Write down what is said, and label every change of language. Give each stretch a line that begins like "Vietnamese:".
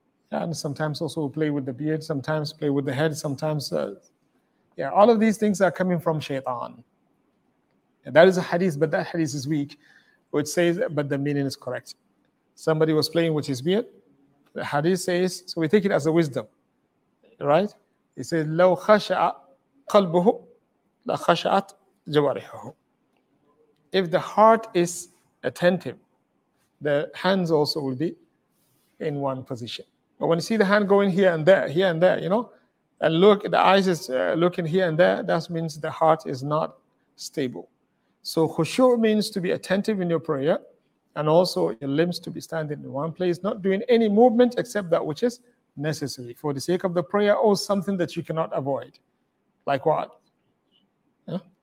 English: And sometimes also play with the beard, sometimes play with the head, sometimes... all of these things are coming from shaitan. And that is a hadith, but that hadith is weak. Which says, but the meaning is correct. Somebody was playing with his beard. The hadith says, so we take it as a wisdom. Right? It says,
Arabic: لَوْ خَشَعَ قَلْبُهُ لَخَشَعَتْ جَوَارِحُهُ.
English: If the heart is attentive, the hands also will be in one position. But when you see the hand going here and there, you know, and look, the eyes is looking here and there, that means the heart is not stable. So khushu means to be attentive in your prayer, and also your limbs to be standing in one place, not doing any movement except that which is necessary for the sake of the prayer or something that you cannot avoid. Like what? Yeah?